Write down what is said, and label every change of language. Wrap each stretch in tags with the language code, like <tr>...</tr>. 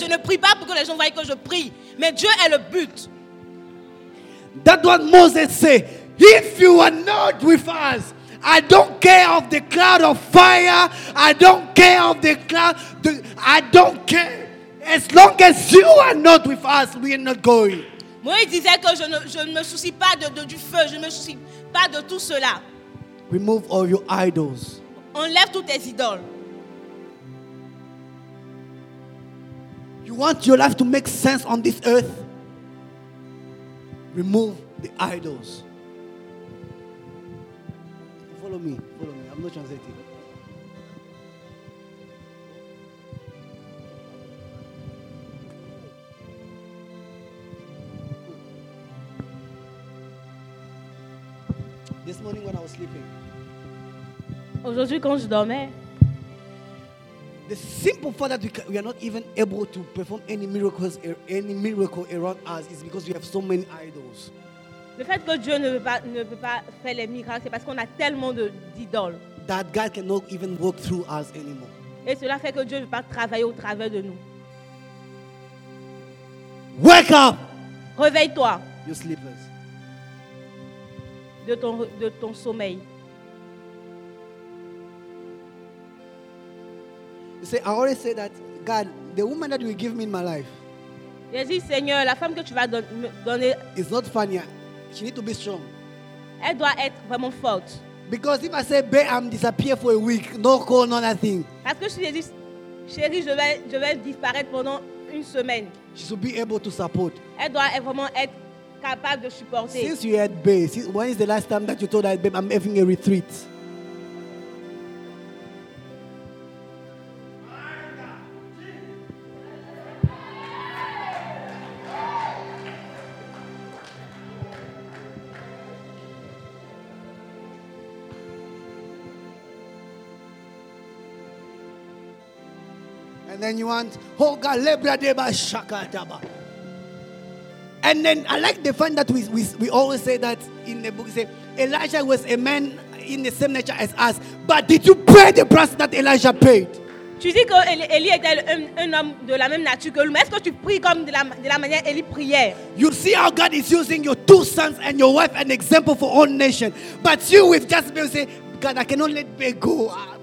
<fr>Je ne prie pas pour que les gens voient que je prie, mais Dieu est le but.</fr> <en>That's what Moses said. If you are not with us, I don't care of the cloud of fire. I don't care of the cloud. I don't care. As long as you are not with us, we are not going.</en> <fr>Moïse disait que je ne me soucie pas du feu, je ne me soucie pas de tout cela.</fr> <en>Remove all your idols.</en> <fr>Enlève toutes tes idoles.</fr> <en>You want your life to make sense on this earth? Remove the idols. Follow me. I'm not translating. This morning when I was sleeping.</en> <fr>Aujourd'hui quand je dormais.</fr> <en>The simple fact that we are not even able to perform any miracle around us is because we have so many idols.</en> <fr>Le fait que Dieu ne peut pas faire les miracles, c'est parce qu'on a tellement d'idoles.</fr> <en>That God cannot even walk through us anymore.</en> <fr>Et cela fait que Dieu ne peut pas travailler au travers de nous.</fr> <en>Wake up.</en> <fr>Réveille-toi.</fr> <en>You sleepers.</en> <fr>De ton sommeil.</fr> <en>You see, I always say that God, the woman that will give me in my life.</en> <fr>Jésus, Seigneur, la femme que tu vas donner.</fr> <en>It's not funny. She needs to be strong.</en> <fr>Elle doit être vraiment forte.</fr> <en>Because if I say, babe, I'm disappear for a week, no call, no nothing.</en> <fr>Parce que Jésus, chérie, je vais disparaître pendant une semaine.</fr> <en>She should be able to support.</en> <fr>Elle doit vraiment être capable de supporter.</fr> <en>Since you had babe, when is the last time that you told her, babe, I'm having a retreat? And then you want, oh God, lebra deba shaka daba. And then I like the fact that we always say that in the book, say Elijah was a man in the same nature as us. But did you pay the price that Elijah paid?</en> <fr>Tu dis que Eli était un homme de la même nature que lui. Est-ce que tu pries comme de la manière Eli priait?</fr> <en>You see how God is using your 2 sons and your wife an example for all nations. But you with just be say, God, I cannot let me go.</en>